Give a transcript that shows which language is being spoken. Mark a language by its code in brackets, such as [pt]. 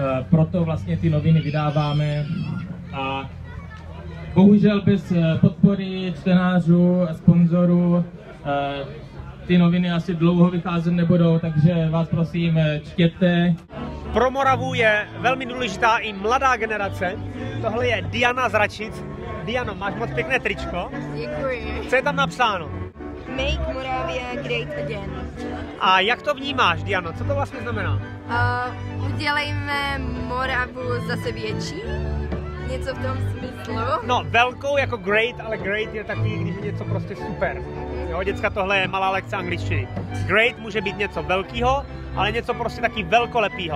[cs] Proto vlastně ty noviny vydáváme a bohužel bez podpory čtenářů a sponzorů ty noviny asi dlouho vycházet nebudou, takže vás prosím, čtěte. Pro Moravu je velmi důležitá i mladá generace. Tohle je Diana Zračic. Diano, máš moc pěkné tričko. Děkuji. Co je tam napsáno? [en] Make Moravia great again. [cs] A jak to vnímáš, Diano? Co to vlastně znamená? Udělejme Moravu zase větší. Něco v tom smyslu. No, velkou jako great, ale great je takový, když je něco prostě super. Jo, děcka, tohle je malá lekce angličtiny. Great může být něco velkýho, ale něco prostě taky velkolepýho.